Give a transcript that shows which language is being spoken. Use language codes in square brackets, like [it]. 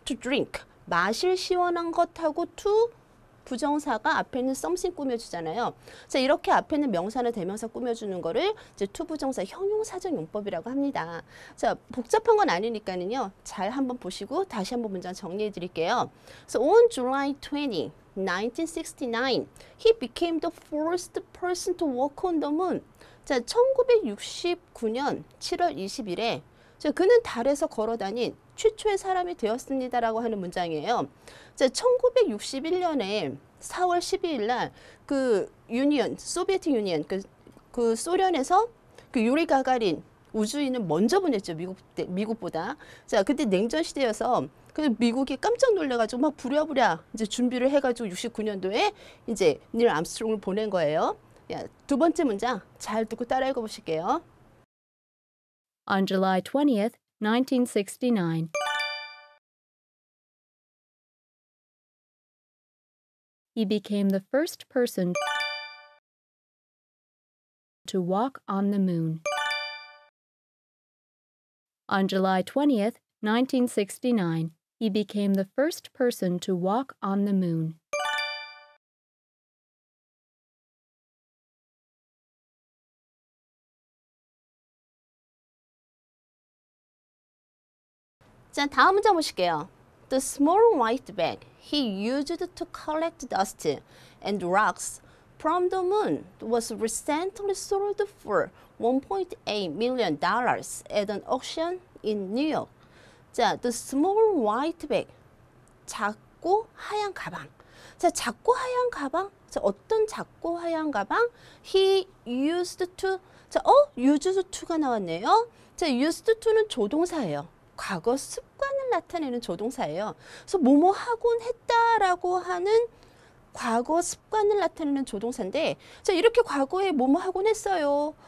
[en] To drink. [ko] 마실 시원한 것하고 to 부정사가 앞에는 something 꾸며주잖아요. 자, 이렇게 앞에는 명사나 대명사 꾸며주는 거를 이제 to 부정사 형용사적 용법이라고 합니다. 자, 복잡한 건 아니니까는요. 잘 한번 보시고 다시 한번 문장 정리해 드릴게요. [en] So on July 20, 1969, he became the first person to walk on the moon. [ko] 자, 1969년 7월 20일에 자, 그는 달에서 걸어 다닌 최초의 사람이 되었습니다라고 하는 문장이에요. 자, 1961년에 4월 12일 날 그 유니언, 소비에트 유니언, 그 소련에서 그 유리 가가린 우주인은 먼저 보냈죠. 미국보다. 자, 그때 냉전 시대여서 그 미국이 깜짝 놀래가지고 막 부랴부랴 이제 준비를 해가지고 69년도에 이제 닐 암스트롱을 보낸 거예요. 야, 두 번째 문장 잘 듣고 따라 읽어 보실게요. [en] On July 20th, 1969, he became the first person to walk on the moon. On July 20th, 1969, he became the first person to walk on the moon. [ko] 자, 다음 문장 보실게요. [en] The small white bag he used to collect dust and rocks from the moon was recently sold for $1.8 million at an auction in New York. [ko] 자, [en] the small white bag, [ko] 작고 하얀 가방. 자, 작고 하얀 가방, 자, 어떤 작고 하얀 가방? [en] He used to, [ko] 자, 어? used to가 나왔네요. 자, used to는 조동사예요. 과거 습관을 나타내는 조동사예요. 그래서 뭐뭐 하곤 했다라고 하는 과거 습관을 나타내는 조동사인데 자, 이렇게 과거에 뭐뭐 하곤 했어요.